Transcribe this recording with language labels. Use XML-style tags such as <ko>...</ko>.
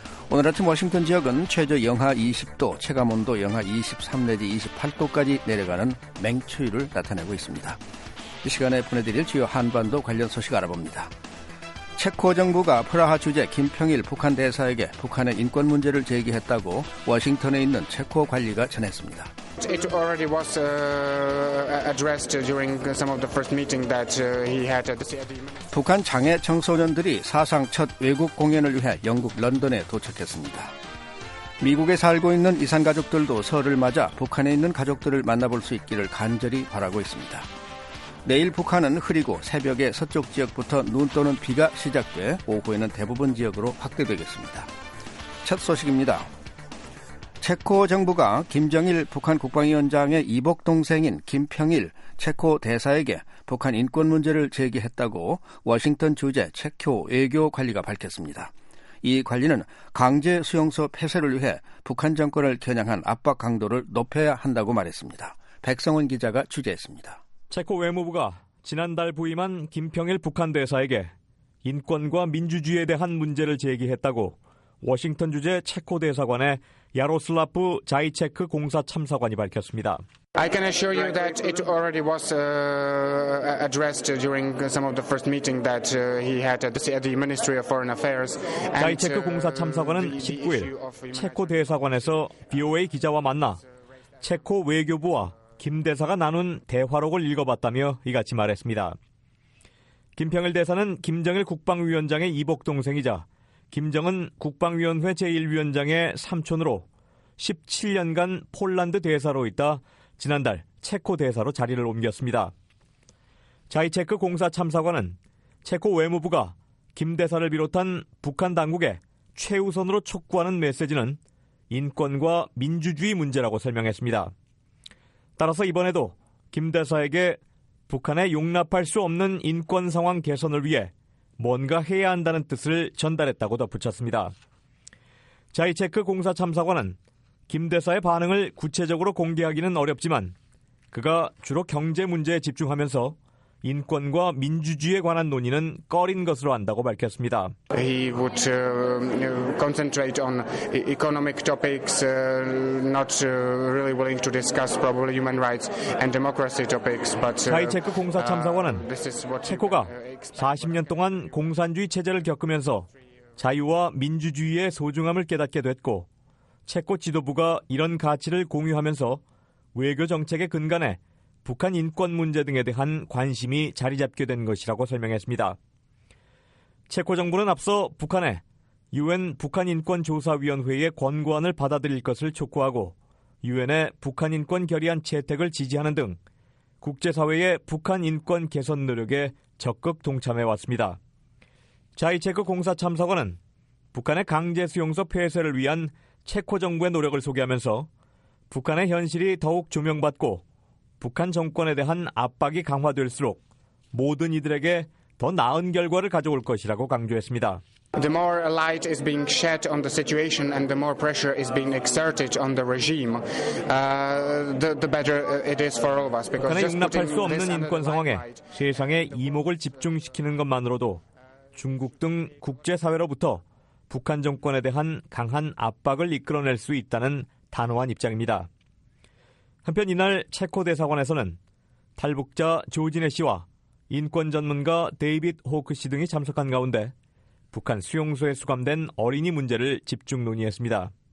<ko>오늘 아침 워싱턴 지역은 최저 영하 20도, 체감온도 영하 23 내지 28도까지 내려가는 맹추위를 나타내고 있습니다. 이 시간에 보내드릴 주요 한반도 관련 소식 알아봅니다. 체코 정부가 프라하 주재 김평일 북한 대사에게 북한의 인권 문제를 제기했다고 워싱턴에 있는 체코 관리가 전했습니다.</ko> <en>It already was addressed during some of the first meeting that he had at the CID.</en> <ko>북한 장애 청소년들이 사상 첫 외국 공연을 위해 영국 런던에 도착했습니다. 미국에 살고 있는 이산가족들도 설을 맞아 북한에 있는 가족들을 만나볼 수 있기를 간절히 바라고 있습니다. 내일 북한은 흐리고 새벽에 서쪽 지역부터 눈 또는 비가 시작돼 오후에는 대부분 지역으로 확대되겠습니다. 첫 소식입니다. 체코 정부가 김정일 북한 국방위원장의 이복 동생인 김평일 체코 대사에게 북한 인권 문제를 제기했다고 워싱턴 주재 체코 외교 관리가 밝혔습니다. 이 관리는 강제 수용소 폐쇄를 위해 북한 정권을 겨냥한 압박 강도를 높여야 한다고 말했습니다. 백성원 기자가 취재했습니다. 체코 외무부가 지난달 부임한 김평일 북한 대사에게 인권과 민주주의에 대한 문제를 제기했다고 워싱턴 주재 체코 대사관의 야로슬라프 자이체크 공사 참사관이 밝혔습니다.</ko> <en>I can assure you that it already was addressed during some of the first meeting that he had at the Ministry of Foreign Affairs.</en> <ko>자이체크 공사 참사관은 19일 체코 대사관에서 BOA 기자와 만나 체코 외교부와 김 대사가 나눈 대화록을 읽어봤다며 이같이 말했습니다. 김평일 대사는 김정일 국방위원장의 이복 동생이자 김정은 국방위원회 제1위원장의 삼촌으로 17년간 폴란드 대사로 있다 지난달 체코 대사로 자리를 옮겼습니다. 자이체크 공사 참사관은 체코 외무부가 김 대사를 비롯한 북한 당국에 최우선으로 촉구하는 메시지는 인권과 민주주의 문제라고 설명했습니다. 따라서 이번에도 김 대사에게 북한에 용납할 수 없는 인권 상황 개선을 위해 뭔가 해야 한다는 뜻을 전달했다고 덧붙였습니다. 자이체크 공사 참사관은 김 대사의 반응을 구체적으로 공개하기는 어렵지만 그가 주로 경제 문제에 집중하면서 인권과 민주주의에 관한 논의는 꺼린 것으로 안다고 밝혔습니다.</ko> <en>He would concentrate on economic topics, not really willing to discuss probably human rights and democracy topics. But</en> <ko>자이체크 공사 참사관은 체코가 40년 동안 공산주의 체제를 겪으면서 자유와 민주주의의 소중함을 깨닫게 됐고 체코 지도부가 이런 가치를 공유하면서 외교 정책의 근간에 북한 인권 문제 등에 대한 관심이 자리 잡게 된 것이라고 설명했습니다. 체코 정부는 앞서 북한에 UN 북한인권조사위원회의 권고안을 받아들일 것을 촉구하고 UN의 북한인권 결의안 채택을 지지하는 등 국제사회의 북한 인권 개선 노력에 적극 동참해왔습니다. 자이체크 공사 참사관은 북한의 강제수용소 폐쇄를 위한 체코 정부의 노력을 소개하면서 북한의 현실이 더욱 조명받고 북한 정권에 대한 압박이 강화될수록 모든 이들에게 더 나은 결과를 가져올 것이라고 강조했습니다.</ko> <en>The more light is being shed on the situation and the more pressure is being exerted on the regime, the better it is for all of us.</en> <ko>Because 북한에 응답할 수 없는 인권 상황에 세상의 이목을 집중시키는 것만으로도 중국 등 국제사회로부터 북한 정권에 대한 강한 압박을 이끌어낼 수 있다는 단호한 입장입니다. 한편 이날 체코 대사관에서는 탈북자 조진혜 씨와 인권 전문가 데이빗 호크 씨 등이 참석한 가운데 북한 수용소에 수감된 어린이 문제를 집중 논의했습니다.</ko>